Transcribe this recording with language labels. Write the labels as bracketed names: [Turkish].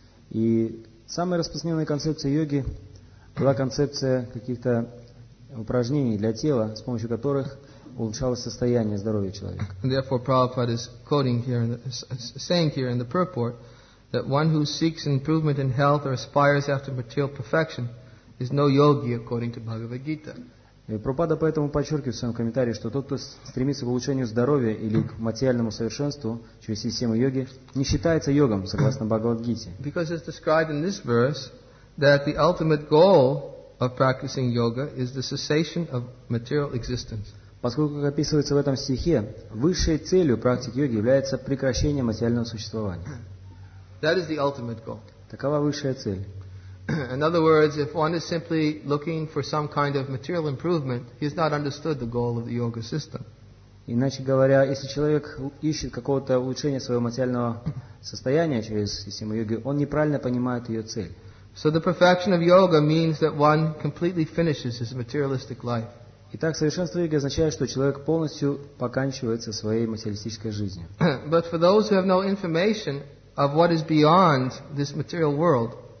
[Russian] И самая распространенная концепция йоги была концепция каких-то упражнений для тела, с помощью которых улучшалось состояние здоровья человека. [English] And therefore, Prabhupada is quoting here, saying here in the purport that one who seeks improvement in health or aspires after material perfection is no yogi, according to Bhagavad Gita. [Russian] И Прабхупада поэтому подчеркивает в своем комментарии, что тот, кто стремится к улучшению здоровья или к материальному совершенству через систему йоги, не считается йогом, согласно Бхагавад-гите. [English] Because it's described in this verse that the ultimate goal of practicing yoga is the cessation of material existence. [Russian] Поскольку, как описывается в этом стихе, высшей целью практики йоги является прекращение материального существования. [English] That is the ultimate goal. [Russian] Такова высшая цель. [English] In other words, if one is simply looking for some kind of material improvement, he has not understood the goal of the yoga system. [Russian] Иначе говоря, если человек ищет какого-то улучшения своего материального состояния через систему йоги, он неправильно понимает ее цель. [English] So the perfection of yoga means that one completely finishes his materialistic life. [Russian] Итак, совершенство йоги означает, что человек полностью поканчивает со своей материалистической жизнью. [English] But for those who have no information of what is beyond this material world,